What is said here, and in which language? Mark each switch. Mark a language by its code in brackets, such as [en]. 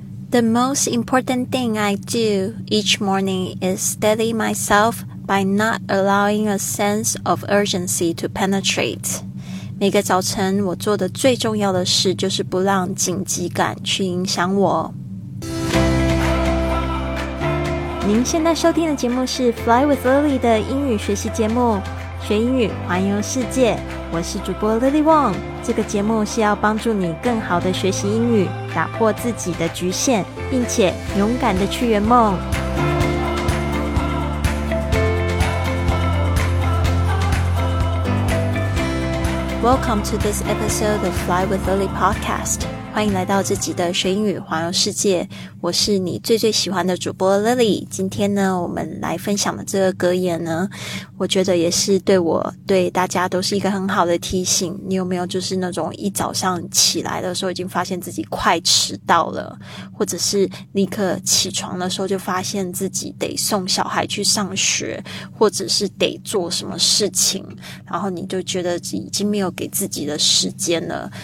[en] The most important thing I do each morning is steady myself by not allowing a sense of urgency to penetrate. [zh] 每个早晨我做的最重要的事就是不让紧急感去影响我。您现在收听的节目是 Fly with Lily 的英语学习节目，学英语环游世界。我是主播 Lily Wong。这个节目是要帮助你更好的学习英语，打破自己的局限，并且勇敢的去圆梦。 [en] Welcome to this episode of Fly with Lily Podcast. [zh] 欢迎来到这集的学英语环游世界。我是你最最喜欢的主播 Lily。今天呢，我们来分享的这个格言呢，我觉得也是对大家都是一个很好的提醒。你有没有就是那种一早上起来的时候已经发现自己快迟到了，或者是立刻起床的时候就发现自己得送小孩去上学，或者是得做什么事情，然后你就觉得已经没有给自己的时间了。